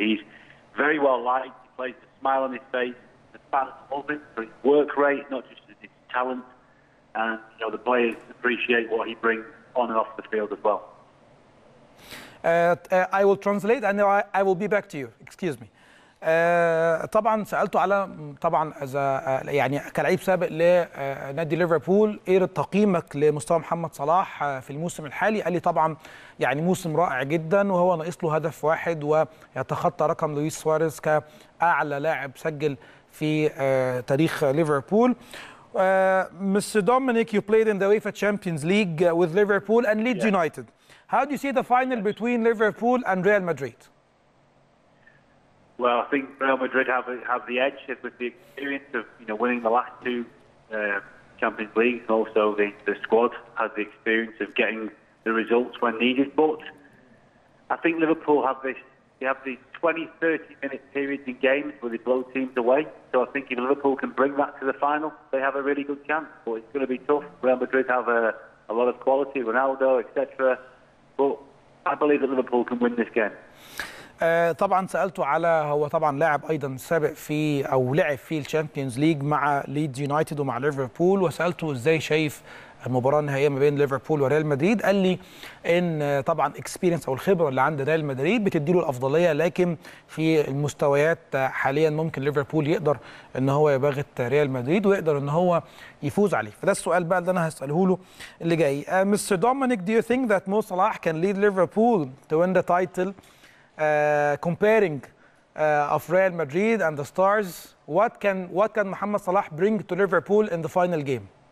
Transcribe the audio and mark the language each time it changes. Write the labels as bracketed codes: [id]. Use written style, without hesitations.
[en] He's very well liked. He plays with a smile on his face. The fans love him for his work rate, not just his talent. And the players appreciate what he brings on and off the field as well. I will translate and I will be back to you. Excuse me. [ar] طبعا سالته على طبعا اذا يعني كلاعب سابق لنادي ليفربول، ايه تقييمك لمستوى محمد صلاح في الموسم الحالي؟ قال لي طبعا يعني موسم رائع جدا، وهو ناقص له هدف واحد ويتخطى رقم لويس سواريز كاعلى لاعب سجل في تاريخ ليفربول. [en] Mr. Dominic, you played in the UEFA Champions League with Liverpool and Leeds United. How do you see the final between Liverpool and Real Madrid? Well, I think Real Madrid have the edge with the experience of winning the last two Champions Leagues. Also, the squad has the experience of getting the results when needed. But I think Liverpool have this. They have these 20-30 minute periods in games where they blow teams away. So I think if Liverpool can bring that to the final, they have a really good chance. But it's going to be tough. Real Madrid have a lot of quality, Ronaldo, etc. But I believe that Liverpool can win this game. [ar] طبعا سالته على هو طبعا لاعب ايضا سابق في او لعب في الشامبيونز ليج مع ليدز يونايتد ومع ليفربول، وسالته ازاي شايف المباراه النهائيه ما بين ليفربول وريال مدريد. قال لي ان طبعا اكسبيرينس او الخبره اللي عند ريال مدريد بتدي له الافضليه، لكن في المستويات حاليا ممكن ليفربول يقدر ان هو يباغت ريال مدريد ويقدر ان هو يفوز عليه. فده السؤال بقى اللي انا هساله له اللي جاي. [en] Mister Dominic, do you think that Mo Salah can lead Liverpool to win the title? Comparing of Real Madrid and the stars, what can Mohamed Salah bring to Liverpool in the final game?